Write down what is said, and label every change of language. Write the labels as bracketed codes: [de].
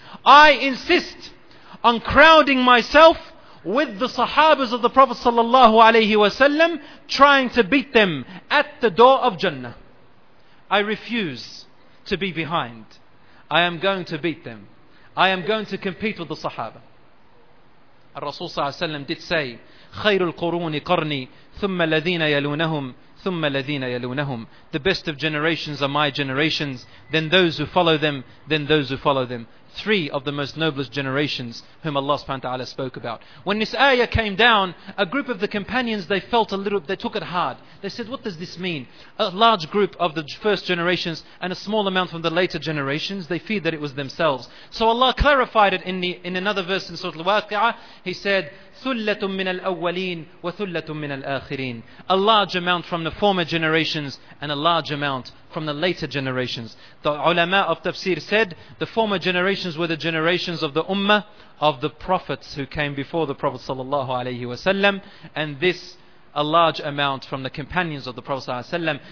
[en] I insist on crowding myself with the Sahabas of the Prophet sallallahu alayhi wasallam, trying to beat them at the door of Jannah. I refuse to be behind. I am going to beat them. I am going to compete with the Sahaba. [ar] Rasul صلى الله عليه وسلم [en] did say, [ar] خير القرون قرني ثم الذين يلونهم ثم الذين يلونهم. [en] The best of generations are my generations, then those who follow them, then those who follow them. Three of the most noblest generations whom Allah subhanahu wa ta'ala spoke about. When this ayah came down, a group of the companions, they took it hard. They said, what does this mean? A large group of the first generations and a small amount from the later generations, they feared that it was themselves. So Allah clarified it in another verse in Surah Al-Waqi'ah. He said, [ar] ثُلَّةٌ مِّنَ الْأَوَّلِينَ وَثُلَّةٌ مِّنَ الْآخِرِينَ. [en] A large amount from the former generations and a large amount from the later generations. The ulama of tafsir said, the former generations were the generations of the ummah, of the prophets who came before the Prophet sallallahu alayhi wasallam, and this, a large amount from the companions of the Prophet sallallahu alayhi wasallam.